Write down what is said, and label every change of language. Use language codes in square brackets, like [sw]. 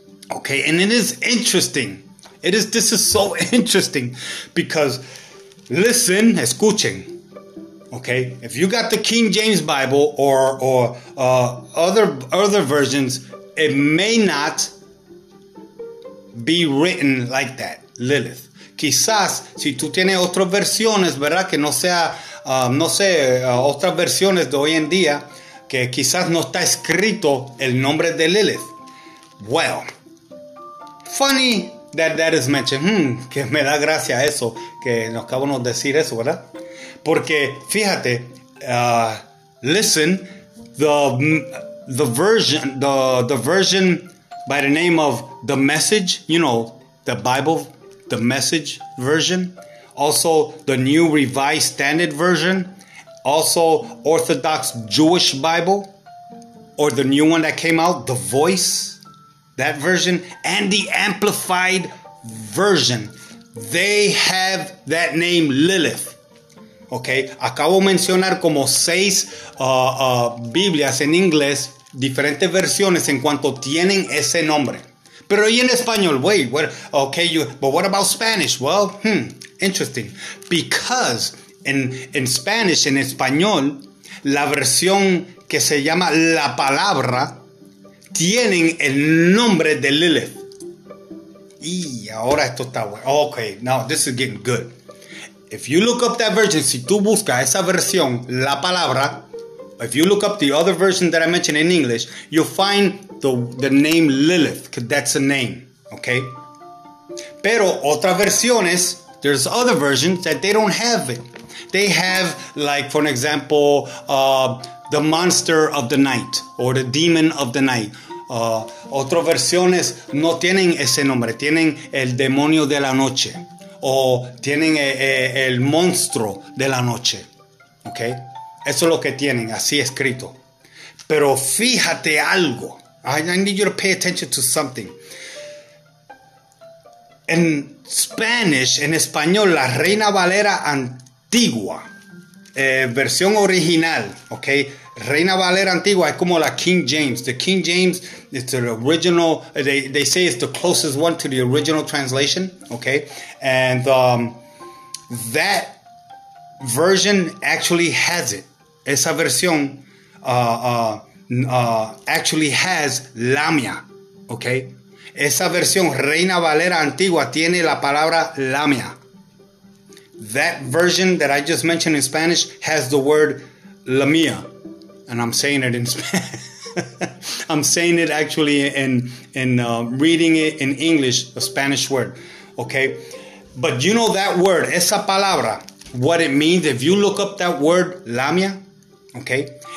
[en] Okay, and it is interesting. This is so interesting because listen, [es] escuchen. [en] Okay, if you got the King James Bible or other versions, it may not be written like that, Lilith. [es] Quizás, si tú tienes otras versiones, ¿verdad? Que no sea, otras versiones de hoy en día, que quizás no está escrito el nombre de Lilith. [en] Well, funny that is mentioned. [es] Que me da gracia eso, que nos acabo de decir eso, ¿verdad? Porque, fíjate, [en] listen, the version by the name of The Message, you know, the Bible, The Message version, also the New Revised Standard version, also Orthodox Jewish Bible, or the new one that came out, The Voice, that version, and the Amplified version, they have that name Lilith. [es] Okay, acabo de mencionar como 6 Biblias en inglés, diferentes versiones en cuanto tienen ese nombre. Pero y en español, [en] what about Spanish? Well, interesting. Because in Spanish, [es] en español, la versión que se llama La Palabra, tienen el nombre de Lilith. Y ahora esto está bueno. [en] Okay, now this is getting good. If you look up that version, [es] si tú buscas esa versión, [en] La Palabra, if you look up the other version that I mentioned in English, you'll find the name Lilith, because that's a name, okay? [es] Pero otras versiones, [en] there's other versions that they don't have it. They have, like, for example, the Monster of the Night, or the Demon of the Night. [es] Otras versiones no tienen ese nombre, tienen el Demonio de la Noche. O tienen el monstruo de la noche. ¿Ok? Eso es lo que tienen, así escrito. Pero fíjate algo. [en] I need you to pay attention to something. [es] En Spanish, en español, la Reina Valera Antigua. Versión original. ¿Ok? Reina Valera Antigua es como la King James. [en] The King James is the original. They say it's the closest one to the original translation. Okay, and that version actually has it. [es] Esa versión [en] actually has [es] Lamia. Okay, esa versión Reina Valera Antigua tiene la palabra Lamia. [en] That version that I just mentioned in Spanish has the word Lamia. And I'm saying it in Spanish. I'm saying it actually in reading it in English, a Spanish word, okay? But you know that word, [es] esa palabra, [en] what it means, if you look up that word, lamia, okay?